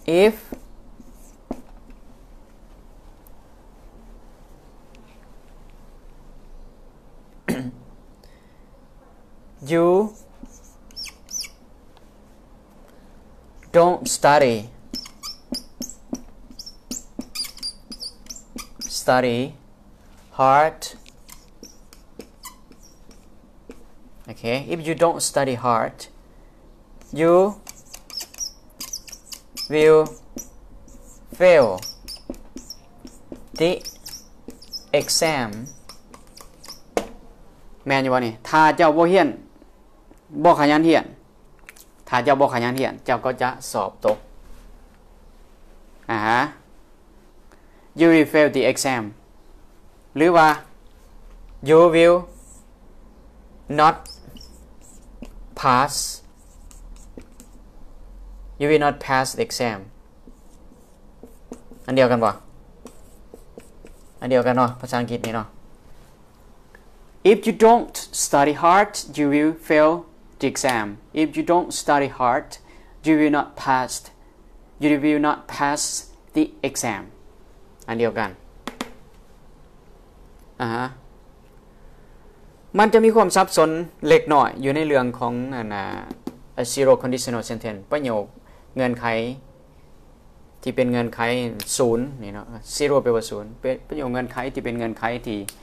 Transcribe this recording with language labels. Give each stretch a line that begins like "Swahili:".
English: If you don't study hard. Okay, if you don't study hard, you will fail the exam.
Northeastern Thai: แม่นอยู่บ่นี่ถ้าเจ้าบ่เฮียนบ่ขยันเฮียนถ้าเจ้าบ่ขยันเฮียนเจ้าก็จะสอบตกฮะ
English: You will fail the exam
Northeastern Thai: หรือว่า
English: You will not pass You will not pass the exam
Northeastern Thai: อันเดียวกันบ่อันเดียวกันเนาะภาษาอังกฤษนี่เนาะ
English: If you don't study hard you will failthe exam. If you don't study hard, you will not pass the exam.
Northeastern Thai: อันเดียวกันมันจะมีความซับซ้อนเล็กน้อยอยู่ในเรื่องของ
English: a zero conditional sentence
Northeastern Thai: ประโยคเงื่อนไขที่เป็นเงื่อนไขศูนย์นี่เนาะ zero แปลว่าศูนย์ประโยคเงื่อนไขที่เป็นเงื่อนไขที่